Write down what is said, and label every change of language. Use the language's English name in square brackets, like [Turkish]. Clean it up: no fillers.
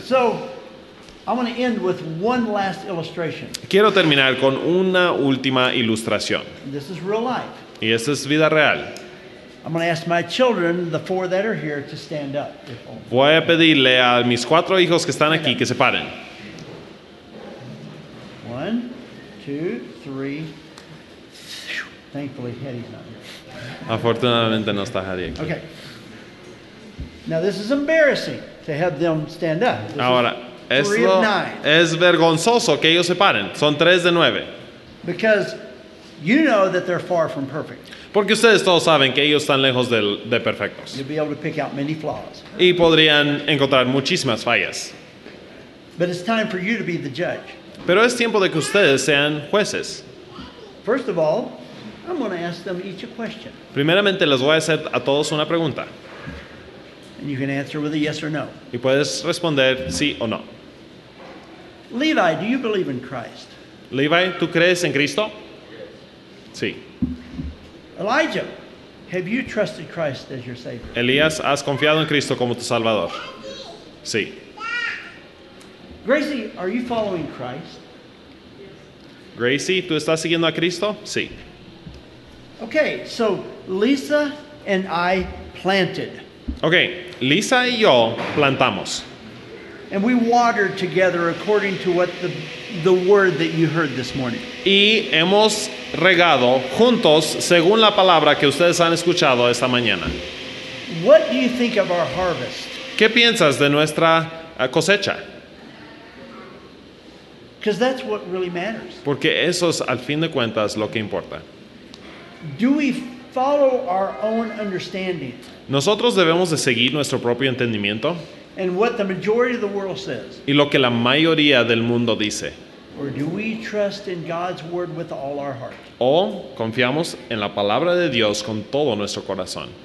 [English] So, I want to end with one last illustration. [Spanish] Quiero terminar con una última ilustración. [English] This is real life. [Spanish] Y esto es vida real. [English] I'm going to ask my children, the four that are here, to stand up. [Spanish] Voy a pedirle a mis cuatro hijos que están aquí que se paren. [English] 1, 2, 3. Thankfully, Hattie's not here. [Spanish] Afortunadamente no está Hattie aquí. [English] Okay. Now this is embarrassing to have them stand up. This [Spanish] ahora, [English] is three [Spanish] esto [English] of nine. [Spanish] Es vergonzoso que ellos se paren. Son tres de nueve. [English] Because you know that they're far from perfect. [Spanish] Porque ustedes todos saben que ellos están lejos de perfectos. [English] You'll be able to pick out many flaws. [Spanish] Y podrían encontrar muchísimas fallas. [English] But it's time for you to be the judge. [Spanish] Pero es tiempo de que ustedes sean jueces. [English] First of all, I'm going to ask them each a question. [Spanish] Primeramente les voy a hacer a todos una pregunta. [English] And you can answer with a yes or no. [Spanish] Y puedes responder sí o no. [English] Levi, do you believe in Christ? [Spanish] Levi, ¿tú crees en Cristo? Sí. [English] Elijah, have you trusted Christ as your Savior? [Spanish] Elías, ¿has confiado en Cristo como tu Salvador? Sí. [English] Gracie, are you following Christ? [Spanish] Gracie, ¿tú estás siguiendo a Cristo? Sí. [English] Okay, so Lisa and I planted. [Spanish] Okay, Lisa y yo plantamos. [English] And we watered together according to what the word that you heard this morning. [Spanish] Y hemos regado juntos según la palabra que ustedes han escuchado esta mañana. [English] What do you think of our harvest? [Spanish] ¿Qué piensas de nuestra cosecha? [English] Because that's what really matters. [Spanish] Porque eso es al fin de cuentas lo que importa. [English] Do we follow our own understanding? [Spanish] Nosotros debemos de seguir nuestro propio entendimiento. [English] And what the majority of the world says. [Spanish] Y lo que la mayoría del mundo dice. [English] Or do we trust in God's word with all our heart? [Spanish] O confiamos en la palabra de Dios con todo nuestro corazón.